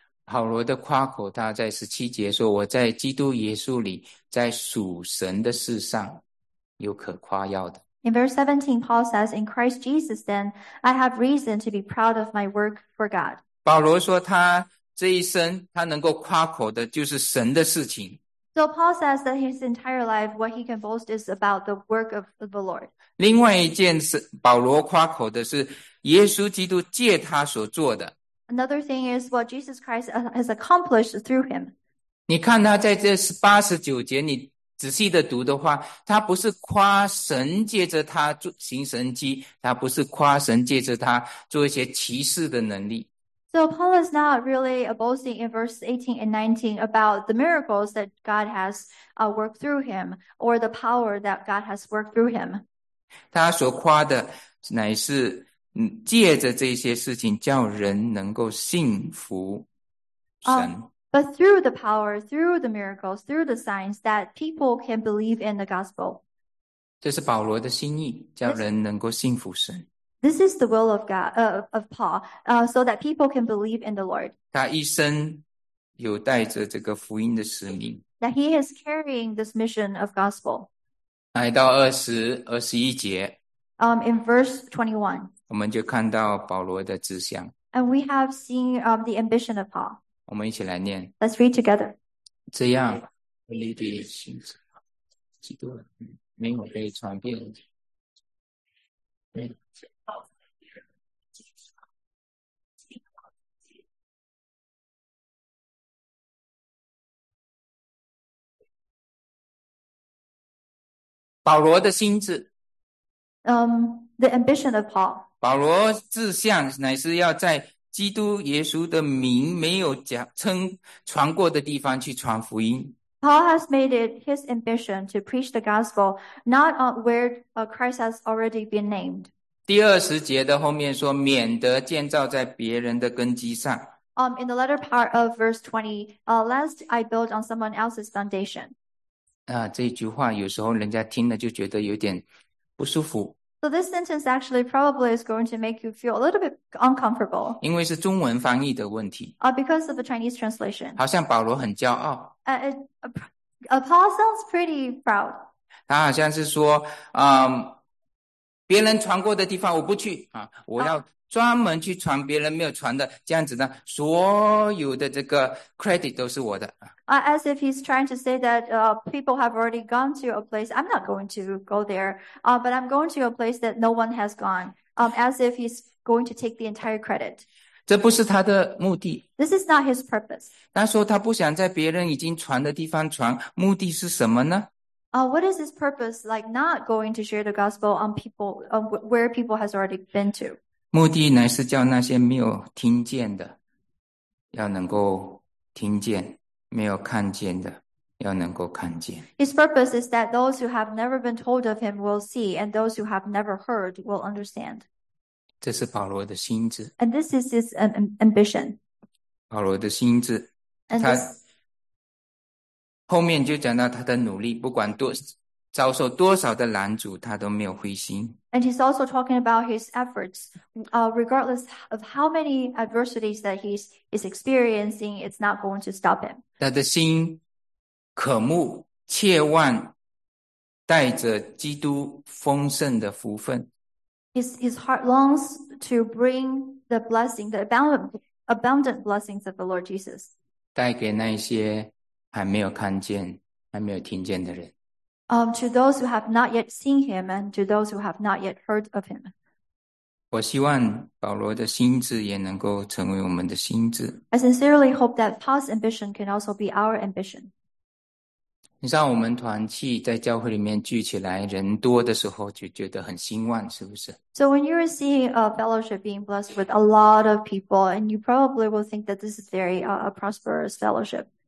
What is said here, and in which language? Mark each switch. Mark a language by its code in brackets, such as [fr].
[zh] 保罗的夸口，他在17节说：“我在基督耶稣里，在属神的事上，有可夸耀的。 [en] ”In verse 17, Paul says, "In Christ Jesus, then I have reason to be proud of my work for God." [zh] 保罗说，他这一生他能够夸口的就是神的事情。 [en] So Paul says that his entire life, what he can boast is about the work of the Lord. [zh] 另外一件是保罗夸口的是。耶稣基督借他所做的。 [en] Another thing is what Jesus Christ has accomplished through him. [zh] 你看他在这八十九节，你仔细的读的话，他不是夸神借着他行神迹，他不是夸神借着他做一些奇事的能力。 [en] So Paul is not really boasting in verse 18 and 19 about the miracles that God has worked through him or the power that God has worked through him. [zh] 他所夸的乃是。借着这些事情叫人能够信服神。 [en] But through the power, through the miracles, through the signs that people can believe in the gospel. [zh] 这是保罗的心意，叫人能够信服神。 [en] This is the will of God, of Paul, so that people can believe in the Lord. [zh] 他一生有带着这个福音的使命。 [en] That he is carrying this mission of gospel. [zh] 来到20-21节。 [en] In verse 21. [zh] 我们就看到保罗的志向。 [en] And we have seen, the ambition of Paul. [zh] 我们一起来念。 [en] Let's read together. [zh] 这样，我立地行事，基督没有被传遍。保罗的心志。 [en] The ambition of Paul. [zh] 保罗志向乃是要在基督耶稣的名没有称传过的地方去传福音。 [en] Paul has made it his ambition to preach the gospel, not where Christ has already been named. [zh] 第二十节的后面说，免得建造在别人的根基上。 [en] In the latter part of verse 20, lest I build on someone else's foundation. [zh] 这句话有时候人家听了就觉得有点不舒服。 [en] So this sentence actually probably is going to make you feel a little bit uncomfortable. [zh] 因为是中文翻译的问题。 [en] Because of the Chinese translation. [zh] 好像保罗很骄傲。 [en] Paul sounds pretty proud. [zh] 他好像是说，别人传过的地方我不去，我要专门去传别人没有传的，这样子呢，所有的这个 credit 都是我的。 [en] As if he's trying to say that people have already gone to a place, I'm not going to go there, but I'm going to a place that no one has gone, as if he's going to take the entire credit. [zh] 这不是他的目的。 [en] This is not his purpose. [zh] 他说他不想在别人已经传的地方传，目的是什么呢？ [en] What is his purpose like not going to share the gospel on people, where people has already been to? [zh] 目的乃是叫那些没有听见的要能够听见，没有看见的要能够看见。 [en] His purpose is that those who have never been told of him will see, and those who have never heard will understand. [zh] 这是保罗的心志。 [en] And this is his ambition. [zh] 保罗的心志。 [en] And [zh] 他后面就讲到他的努力，不管多遭受多少的拦阻，他都没有灰心。 [en] And he's also talking about his efforts, regardless of how many adversities that he's is experiencing, it's not going to stop him. [zh] 他的心渴慕，切望带着基督丰盛的福分。 [en] His heart longs to bring the blessing, the abundant blessings of the Lord Jesus. [zh] 带给那些还没有看见、还没有听见的人。 [en] To those who have not yet seen him and to those who have not yet heard of him. [zh] 我希望保罗的心志也能够成为我们的心志。 [en] I sincerely hope that Paul's ambition can also be our ambition. [zh] 你知道我们团契在教会里面聚起来人多的时候就觉得很兴旺，是不是？ [en] So when you are seeing a fellowship being blessed with a lot of people, and you probably will think that this is very a prosperous fellowship.